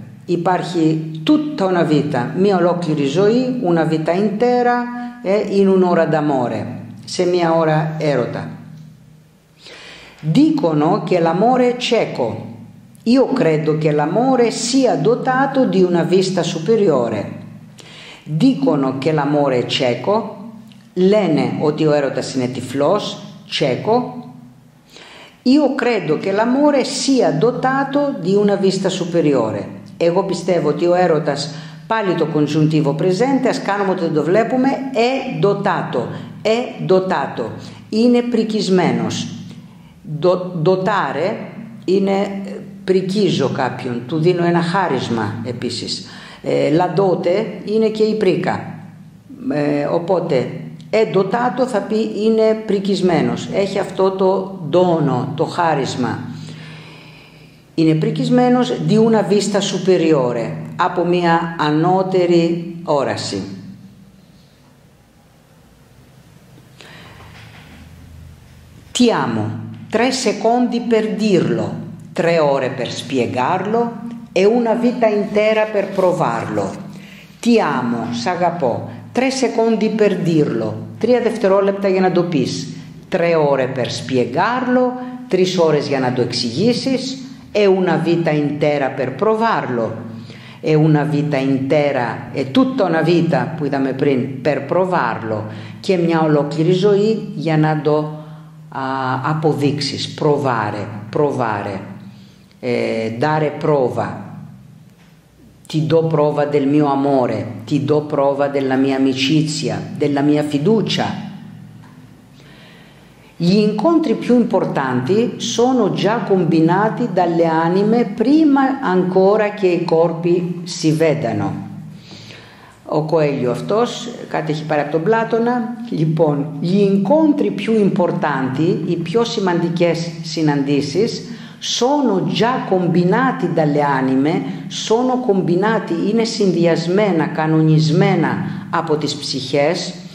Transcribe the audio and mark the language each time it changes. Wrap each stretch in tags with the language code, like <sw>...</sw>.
<it>Υπάρχει tutta una vita,</it> <el>μια ολόκληρη ζωή,</el> <it>una vita intera, in un'ora d'amore,</it> <el>σε μια ώρα έρωτα.</el> <it>Dicono che l'amore è cieco. Io credo che l'amore sia dotato di una vista superiore. Dicono che l'amore è cieco.</it> <el>Lene ότι ο έρωτας είναι τυφλός, cieco.</el> <it>Io credo che l'amore sia dotato di una vista superiore.</it> <el>Εγώ πιστεύω ότι ο έρωτας, πάλι το congiuntivo presente, ας κάνουμε ότι δεν το βλέπουμε,</el> <it>è dotato,</it> <el>είναι πρικισμένος. Dotare είναι πρικίζω κάποιον, του δίνω ένα χάρισμα επίσης. La dote είναι και η πρίκα. Οπότε, è dotato θα πει είναι πρικισμένος, έχει αυτό το δώρο, το χάρισμα. Είναι πρικισμένος</el> <it>di una vista superiore,</it> <el>από μια ανώτερη όραση.</el> <it>Ti amo, 3 secondi per dirlo, 3 ore per spiegarlo e una vita intera per provarlo. Ti amo, s'agapò, 3 secondi per dirlo,</it> <el>3 δευτερόλεπτα για να το πεις,</el> <it>3 ore per spiegarlo,</it> <el>3 ώρες για να το εξηγήσεις,</el> <it>e una vita intera per provarlo. E una vita intera, e tutta una vita,</it> <el>που είδαμε πριν,</el> <it>per provarlo,</it> <el>και μια ολόκληρη ζωή για να το αποδείξεις,</el> <it>provare, provare, dare prova. Ti do prova del mio amore, ti do prova della mia amicizia, della mia fiducia. Gli incontri più importanti sono già combinati dalle anime prima ancora che i corpi si vedano.</it> <el>Ο Κοέλιο αυτός, κάτι έχει πάρει από τον Πλάτωνα. Λοιπόν,</el> <it>gli incontri più importanti,</it> <el>οι πιο σημαντικές συναντήσεις,</el> <it>sono già combinati dalle anime, sono combinati,</it> <el>είναι συνδυασμένα, κανονισμένα από τις ψυχές.</el>